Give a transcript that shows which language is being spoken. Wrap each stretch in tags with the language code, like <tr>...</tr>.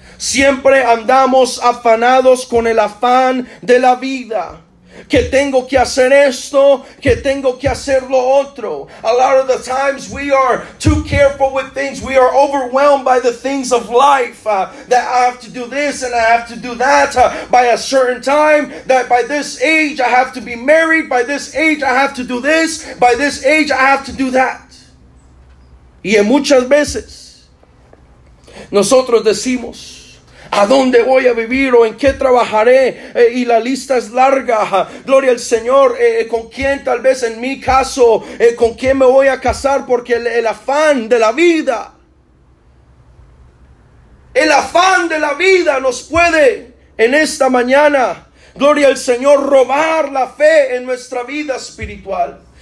<es>Siempre andamos afanados con el afán de la vida. Que tengo que hacer esto, que tengo que hacer lo otro.</es> <en>A lot of the times we are too careful with things. We are overwhelmed by the things of life. That I have to do this and I have to do that by a certain time. That by this age I have to be married. By this age I have to do this. By this age I have to do that.</en> <es>Y en muchas veces nosotros decimos, ¿a dónde voy a vivir o en qué trabajaré? Y la lista es larga. Gloria al Señor. ¿Con quién, tal vez en mi caso, con quién me voy a casar? Porque el afán de la vida, el afán de la vida nos puede en esta mañana, gloria al Señor, robar la fe en nuestra vida espiritual.</es>